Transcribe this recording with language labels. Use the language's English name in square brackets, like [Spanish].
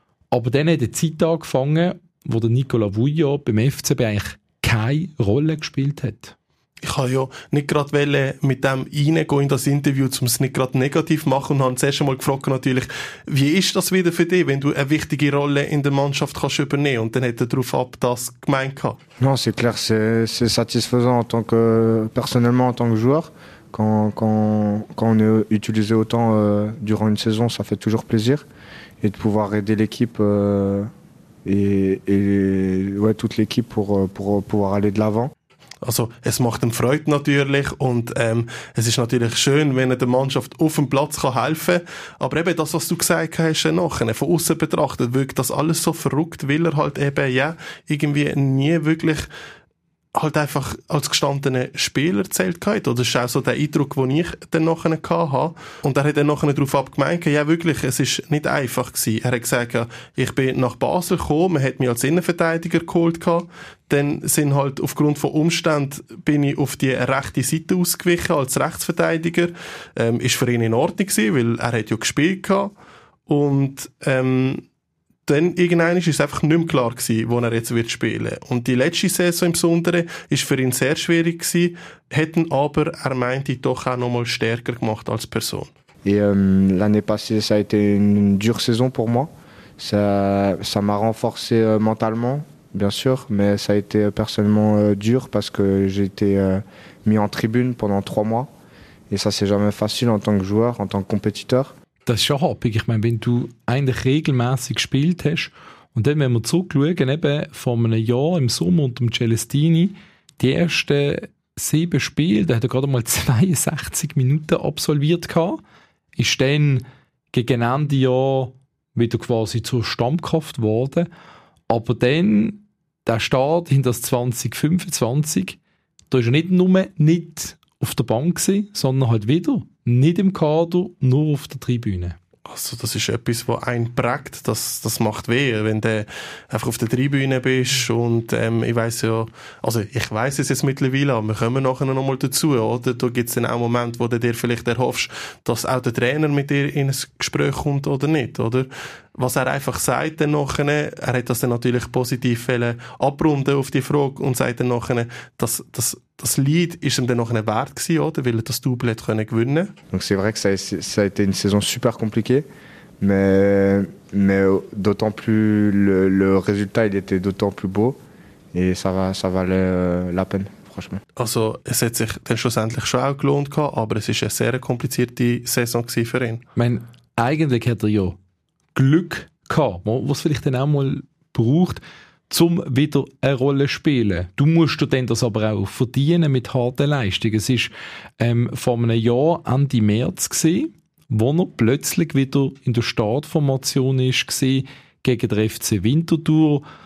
[German] Aber dann hat er Zeit angefangen, wo der Nicolas Vouillot beim FCB eigentlich keine Rolle gespielt hat. Ich habe ja nicht gerade wollen mit dem reingehen in das Interview, um es nicht gerade negativ machen, und habe das erste Mal gefragt natürlich, wie ist das wieder für dich, wenn du eine wichtige Rolle in der Mannschaft kannst übernehmen? Und dann hat er darauf ab das gemeint gehabt. [French] Non, c'est clair, c'est satisfaisant en tant que, personnellement en tant que joueur. Quand on est utilisé autant durant une saison, ça fait toujours plaisir. Et de pouvoir aider l'équipe et toute l'équipe pour pouvoir aller de l'avant. [German] Also es macht ihm Freude natürlich und es ist natürlich schön, wenn er der Mannschaft auf dem Platz kann helfen kann. Aber eben das, was du gesagt hast, nachher von außen betrachtet, wirkt das alles so verrückt, weil er halt eben ja irgendwie nie wirklich halt einfach als gestandener Spieler zählt hat. Oder das ist auch so der Eindruck, den ich dann nachher hatte. Und er hat dann nachher darauf abgemeint, ja wirklich, es ist nicht einfach gewesen. Er hat gesagt, ja, ich bin nach Basel gekommen, man hat mich als Innenverteidiger geholt gehabt. Dann sind halt aufgrund von Umständen bin ich auf die rechte Seite ausgewichen als Rechtsverteidiger. Ist für ihn in Ordnung gewesen, weil er hat ja gespielt gehabt. Und dann irgendwann ist es einfach nicht mehr klar gewesen, wo er jetzt wird spielen. Und die letzte Saison im Besonderen ist für ihn sehr schwierig gewesen, hätten aber, er meinte, doch auch nochmal stärker gemacht als Person. [French] Et, l'année passée, ça a été une dure saison pour moi. Ça m'a renforcé mentalement. Bien sûr, mais ça a été personnellement dur parce que j'ai été mis en tribune pendant 3 mois. Et ça, c'est jamais facile en tant que joueur, en tant que compétiteur. [German] Das ist schon happig. Ich meine, wenn du eigentlich regelmässig gespielt hast und dann, wenn wir zurückschauen, eben vor einem Jahr im Sommer unter Celestini, die ersten 7 Spiele, da hat er gerade mal 62 Minuten absolviert gehabt, ist dann gegen Ende Jahr wieder quasi zur Stammkraft geworden. Aber dann, der Start in das 2025, da war er nicht nur nicht auf der Bank gewesen, sondern halt wieder nicht im Kader, nur auf der Tribüne. Also das ist etwas, was einen prägt, das macht weh, wenn du einfach auf der Tribüne bist und ich weiß es jetzt mittlerweile, aber wir kommen nachher nochmal dazu, oder? Da gibt es dann auch Momente, wo du dir vielleicht erhoffst, dass auch der Trainer mit dir in ein Gespräch kommt oder nicht, oder? Was er einfach sagt dann nachher, er hat das dann natürlich positiv abrunden auf die Frage und sagt dann nachher, das Lied ist ihm dann nachher wert gewesen, oder? Weil er das Double hat können gewinnen. [French] Donc c'est vrai que ça a été une saison super compliquée, mais d'autant plus le résultat il était d'autant plus beau et ça valait la peine. [German] Also es hat sich dann schlussendlich schon auch gelohnt gehabt, aber es ist eine sehr komplizierte Saison gewesen für ihn. Ich meine, eigentlich hat er ja Glück gehabt, was vielleicht dann auch mal braucht, um wieder eine Rolle zu spielen. Du musst dir das aber auch verdienen mit harten Leistungen. Es war vor einem Jahr Ende März, wo er plötzlich wieder in der Startformation war, gegen den FC Winterthur.